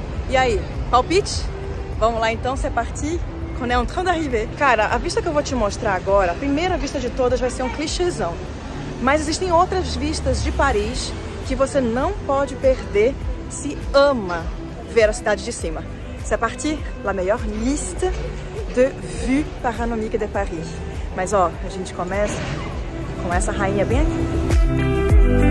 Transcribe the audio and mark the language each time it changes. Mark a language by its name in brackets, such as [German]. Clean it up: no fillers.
[Portuguese] E aí, palpite? Vamos lá então, [French] c'est parti, on est en train d'arriver. [Portuguese] Cara, a vista que eu vou te mostrar agora, a primeira vista de todas, vai ser um clichêzão. Mas existem outras vistas de Paris que você não pode perder se ama ver a cidade de cima. [French] C'est parti, la meilleure liste de vue panoramique de Paris. [Portuguese] Mas ó, a gente começa com essa rainha bem aqui.